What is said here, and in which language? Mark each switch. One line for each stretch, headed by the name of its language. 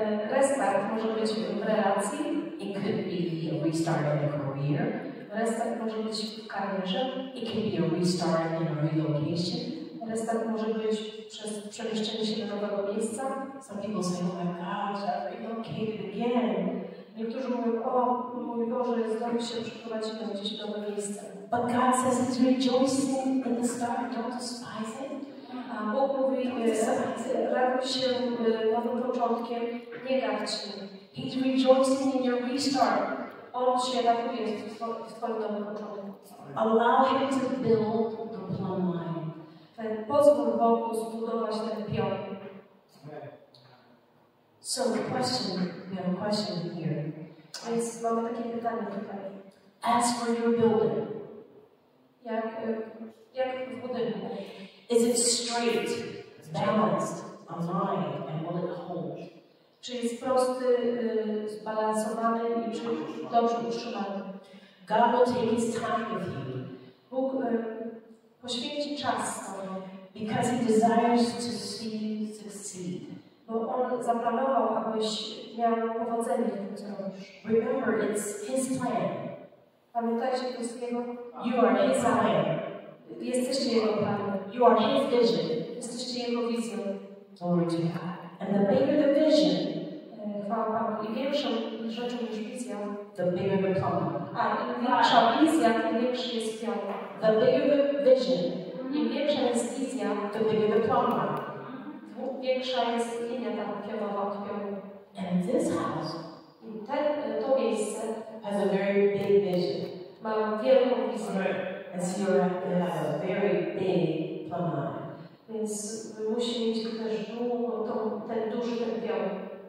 Polish: Restart może być w relacji.
English: It could be a restart in a career.
Polish: Restart może być w karierze.
English: It could be a restart in a relocation.
Polish: Restart może być przez przemieszczenie się do nowego miejsca.
English: Some people say, oh my gosh, I relocated again.
Polish: Niektórzy mówią, o mój Boże, zdarzy się przeprowadzić gdzieś do nowe miejsce.
English: But God says it's rejoicing in the start, don't despise it.
Polish: A Bóg mówi, raduj się nowym początkiem, nie gardźcie.
English: He's rejoicing in your restart.
Polish: On się raduje w twoim nowym początku.
English: Allow him to build the plumb line.
Polish: Pozwól Bogu zbudować ten pion.
English: So the question, we have a question here.
Polish: Please, mam takie pytanie tutaj.
English: Ask for your building.
Polish: Jak w budynku?
English: Is it straight, balanced, aligned, and will it hold?
Polish: Czy jest prosty, zbalansowany i czy dobrze utrzymany?
English: God will take his time with you.
Polish: Bóg poświęci czas.
English: Because he desires to see you succeed.
Polish: Bo on zaplanował, abyś miał powodzenie w tym, co robisz.
English: Remember, it's his plan.
Polish: Pamiętajcie, to jest jego.
English: You are his plan.
Polish: Jesteście jego planem.
English: You are his vision.
Polish: Jesteście jego wizją.
English: Glory to God. And the bigger the vision,
Polish: chwała Panu, i większą rzeczą niż wizja,
English: the bigger the plan.
Polish: A im większa wizja, tym większy jest plan.
English: The bigger the vision,
Polish: im większa jest wizja,
English: the bigger the plan.
Polish: Większa jest linia ta pionowa od pionu.
English: And this house,
Polish: i to miejsce,
English: has a very big vision.
Polish: Ma wielką wizję.
English: And so you have a very big plumb line.
Polish: Więc musi mieć też ten duży pion.